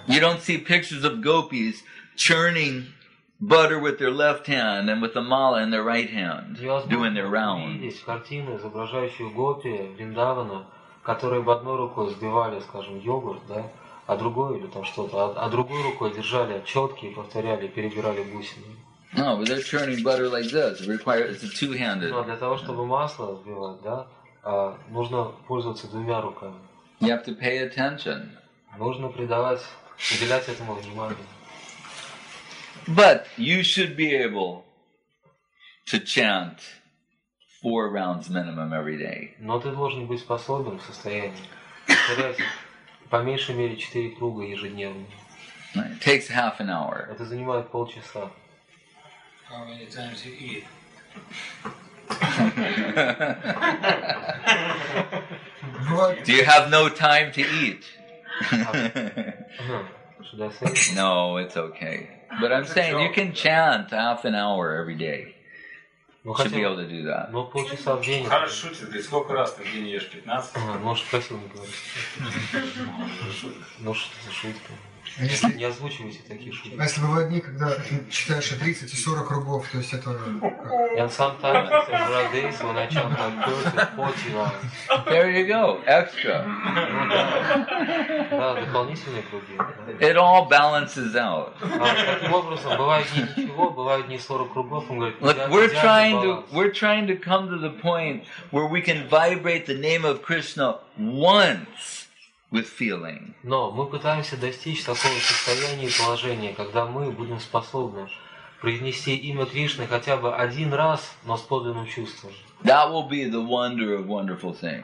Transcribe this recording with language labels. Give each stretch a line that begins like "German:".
English: You don't see pictures of gopis churning butter with their left hand and with a mala in their right hand, doing their round.
Russian: Есть картины, изображающие гопи Вриндавана, которые в одной рукой сбивали, скажем, йогурт, да, а другой или там что-то, а другой рукой держали четки и повторяли, перебирали бусины.
English: No, but they're churning butter like this. It's a two-handed.
Russian: Но для того, чтобы масло сбивать, да, нужно пользоваться двумя руками.
English: You have to pay attention.
Russian: Нужно придавать, уделять этому внимание.
English: But you should be able to chant 4 rounds minimum every day.
Russian: Но ты должен быть способен в состоянии повторять по меньшей мере 4 круга ежедневно.
English: It takes half an hour.
Russian: Это занимает полчаса.
English: How many times you eat? Do you have no time to eat? Should I say it? No, it's okay. But I'm saying you can chant half an hour every day. You should be able to do that.
Russian: Ну полчаса в день. Хорошо шутит. И сколько раз ты в день ешь? 15? Может, спросил, не говоришь. Ну что за шутка? Не озвучивайте такие шутки. А если бывают дни, когда ты читаешь 30 и 40 кругов, то есть это...
English: And sometimes there are days when I chant like 30-40 rounds. There you go. Extra.
Russian: Да, дополнительные круги.
English: It all balances out.
Russian: Таким образом, бывают дни ничего, бывают дни 40 кругов. Он говорит,
English: look, we're trying to come to the point where we can vibrate the name of Krishna once with feeling.
Russian: Но мы пытаемся достичь такого состояния и положения, когда мы будем способны произнести имя Кришны хотя бы один раз, но с подлинным чувством.
English: That will be the wonder of wonderful things.